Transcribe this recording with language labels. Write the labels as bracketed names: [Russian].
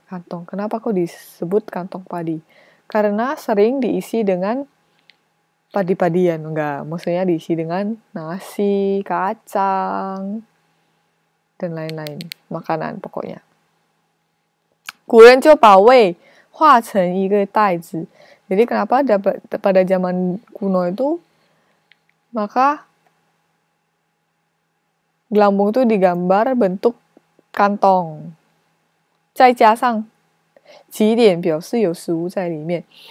[Indonesian] Kantong, kenapa kok disebut kantong padi? Karena sering diisi dengan padi-padian, enggak. Maksudnya diisi dengan nasi, kacang,dan lain-lain makanan pokoknya. [Chinese] 古人就把胃化成一个袋子。 [Indonesian] Jadi kenapa pada zaman kuno itu maka lambung itu digambar bentuk kantong. [Chinese] 再加上几点表示有食物在里面。